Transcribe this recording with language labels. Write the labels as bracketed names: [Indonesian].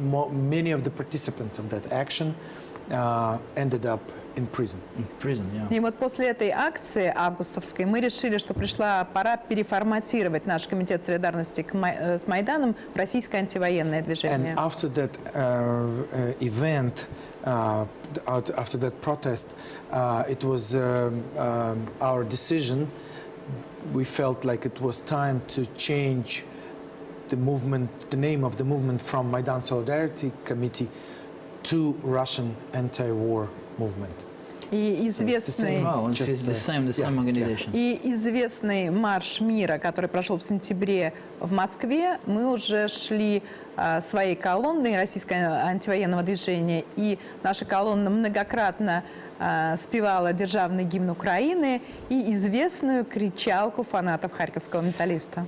[English] Many of the participants of that action ended up in prison. Yeah. [Russian] И вот после этой акции августовской мы решили, что пришла пора переформатировать наш комитет солидарности с Майданом в российское антивоенное движение. [English] And after that event, after that protest, it was our decision. We felt like it was time to change the movement, the name of the movement from Maidan Solidarity Committee to Russian anti-war movement. [Russian] И известный, [English] the same organization. [Russian] И известный марш мира, который прошел в сентябре в Москве, мы уже шли своей колонной российского антивоенного движения, и наша колонна многократно спевала державный гимн Украины и известную кричалку фанатов Харьковского «Металлиста».